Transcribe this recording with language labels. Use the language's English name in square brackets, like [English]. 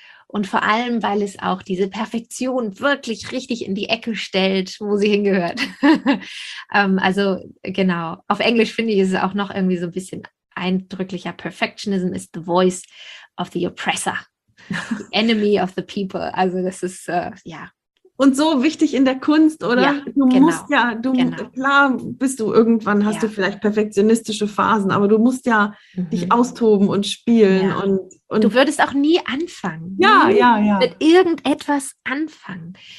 [German] Und vor allem, weil es auch diese Perfektion wirklich richtig in die Ecke stellt, wo sie hingehört. Also genau, auf Englisch finde ich, ist es auch noch irgendwie so ein bisschen eindrücklicher. [English] Perfectionism is the voice of the oppressor, the enemy of the people. [German] Also das ist, ja, Und so wichtig in der Kunst, oder? Ja, du genau. musst ja, du, genau. Klar bist du irgendwann, hast du vielleicht perfektionistische Phasen, aber du musst ja dich austoben und spielen. Ja. Und du würdest auch nie anfangen. Ja, nie ja, ja. Mit irgendetwas anfangen.